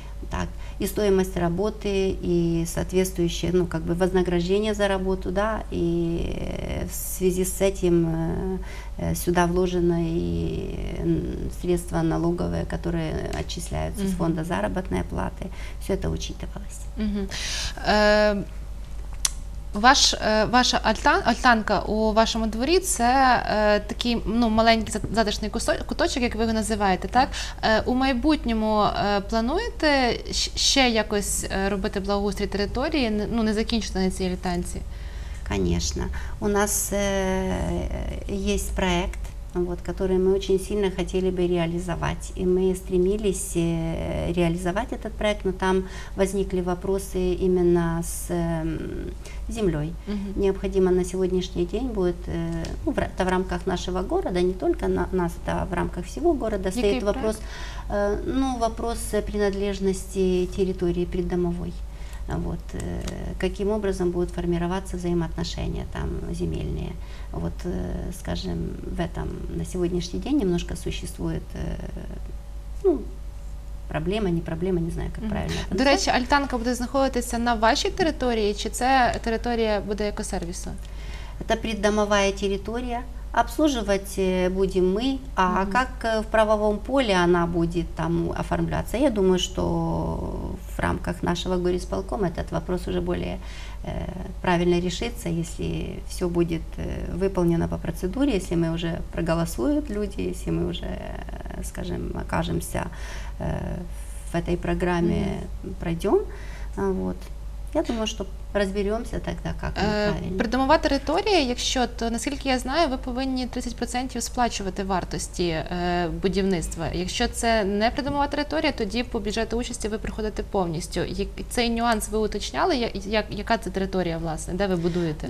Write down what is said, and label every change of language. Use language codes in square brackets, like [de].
[ru] Так, и стоимость работы, и соответствующее, ну, как бы вознаграждение за работу, да, и в связи с этим сюда вложено и средства налоговые, которые отчисляются угу. с фонда заработной платы, все это учитывалось. Угу. [uk] Ваша альтанка у вашому дворі – це такий, ну, маленький затишний куточок, як ви його називаєте, так? У майбутньому плануєте ще якось робити благоустрій території, ну, не закінчити на цій альтанці? Звісно. У нас є проєкт, [ru] вот, который мы очень сильно хотели бы реализовать. И мы стремились реализовать этот проект, но там возникли вопросы именно с землей. Угу. Необходимо на сегодняшний день будет, ну, это в рамках нашего города, не только нас, это в рамках всего города. [uk] Який [ru] стоит вопрос, ну, вопрос принадлежности территории преддомовой. Вот, каким образом будут формироваться взаимоотношения там земельные. Вот, скажем, в этом на сегодняшний день немножко существует, ну, проблема, не знаю, как правильно это назвать. [uk] До речі, альтанка буде знаходитися на вашій території, чи це територія буде екосервісу? [ru] Это преддомовая территория. Обслуживать будем мы, а угу. как в правовом поле она будет там оформляться, я думаю, что в рамках нашего горисполкома этот вопрос уже более правильно решится, если все будет выполнено по процедуре, если мы уже проголосуют люди, если мы уже, скажем, окажемся в этой программе, угу. пройдем, вот. [uk] Я думаю, що розберемося тоді, як правильно. Придомова територія, якщо, то, наскільки я знаю, ви повинні 30% сплачувати вартості будівництва. Якщо це не придомова територія, тоді по бюджету участі ви приходите повністю. Цей нюанс ви уточняли, яка це територія, власне, де ви будуєте?